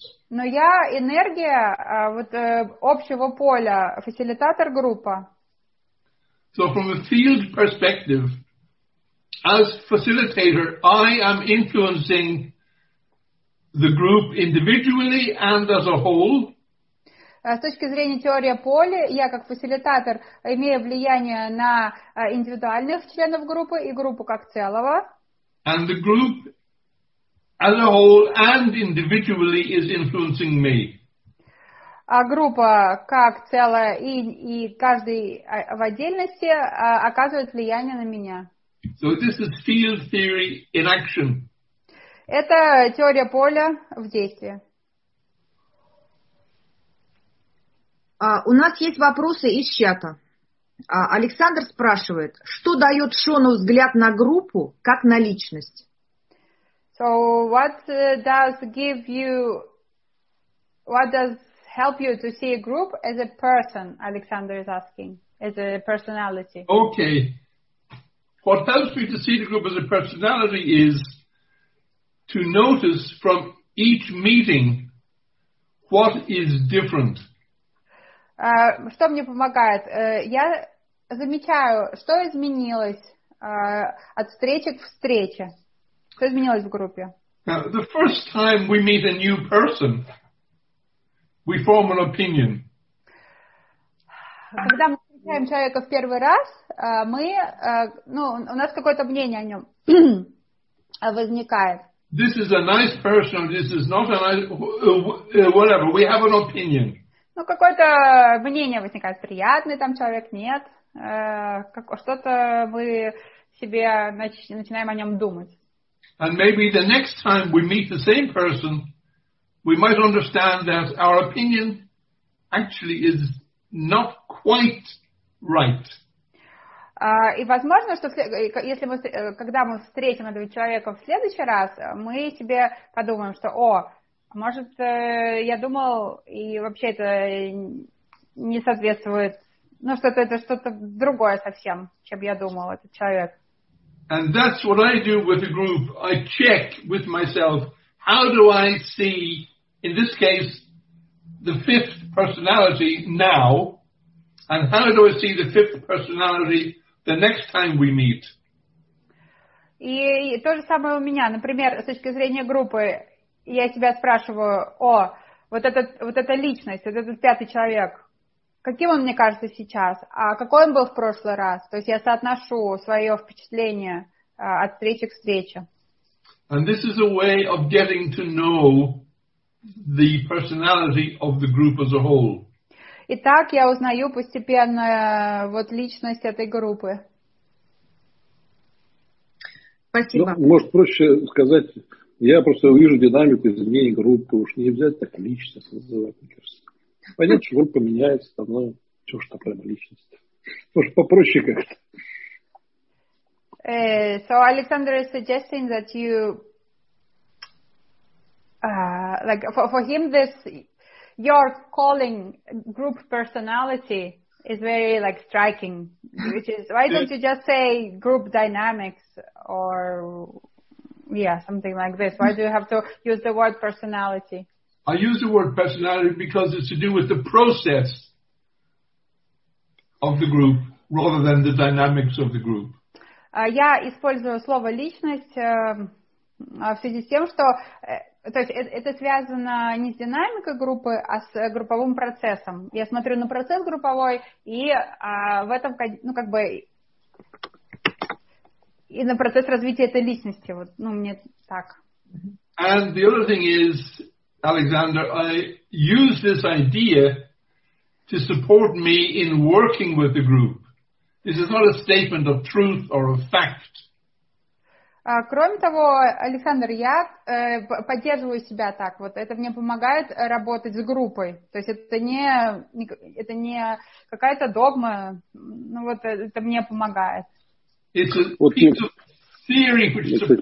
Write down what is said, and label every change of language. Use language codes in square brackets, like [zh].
[ru] Но я энергия вот общего поля, фасилитатор группа. [en] So from a field perspective, as facilitator, I am influencing the group individually and as a whole. [ru] с точки зрения теории поля, я как фасилитатор имею влияние на индивидуальных членов группы и группу как целого. [en] And the group as a whole and individually is influencing me. [ru] А группа как целая и каждый в отдельности оказывает влияние на меня. [en] So this is field theory in action. [ru] Это теория поля в действии. У нас есть вопросы из чата. Александр спрашивает, что дает Шону взгляд на группу как на личность? [en] So what does give you, what does help you to see a group as a person, Alexander is asking, as a personality. Okay. What helps me to see the group as a personality is to notice from each meeting what is different. [ru] Что мне помогает? Я замечаю, что изменилось от встречи к встрече. Что изменилось в группе? [en] Now, the first time we meet a new person, we form an opinion. [ru] Когда мы встречаем человека в первый раз, мы, ну, у нас какое-то мнение о нем возникает. [en] This is a nice person, this is not a nice, whatever, we have an opinion. [ru] Ну, какое-то мнение возникает, приятный там человек, нет, как, что-то мы себе начинаем о нем думать. [en] And maybe the next time we meet the same person, we might understand that our opinion actually is not quite right. [ru] И возможно, что если мы, когда мы встретим этого человека в следующий раз, мы себе подумаем, что, о, может, я думал, и вообще это не соответствует, ну, что это что-то другое совсем, чем я думал, этот человек. [en] And that's what I do with a group. I check with myself, how do I see, in this case, the fifth personality now, and how do I see the fifth personality the next time we meet? [ru] И то же самое у меня. Например, с точки зрения группы, я себя спрашиваю, о, вот эта личность, вот этот пятый человек, каким он мне кажется сейчас, а какой он был в прошлый раз? То есть я соотношу свое впечатление от встречи к встрече. [en] And this is a way of getting to know the personality of the group as a whole. [ru] И так я узнаю постепенно вот личность этой группы. Спасибо. Ну, может, проще сказать, я просто вижу динамику изменений группы, уж нельзя так личность называть, мне кажется. Понятно, что группа меняется, там, ну, что ж такое личность. Может, попроще как-то. [en] So, Alexander is suggesting that you like, for him, this your calling group personality is very like striking. Which is why don't you just say group dynamics or yeah something like this? Why do you have to use the word personality? I use the word personality because it's to do with the process of the group rather than the dynamics of the group. [ru] Я использую слово личность в связи с тем, что то есть это связано не с динамикой группы, а с групповым процессом. Я смотрю на процесс групповой, и в этом, ну, как бы, и на процесс развития этой личности. Вот, ну, мне так. [en] And the other thing is, Alexander, I use this idea to support me in working with the group. This is not a statement of truth or of fact. [ru] Кроме того, Александр, я поддерживаю себя так. Вот это мне помогает работать с группой. То есть это не какая-то догма. Ну вот это мне помогает. Это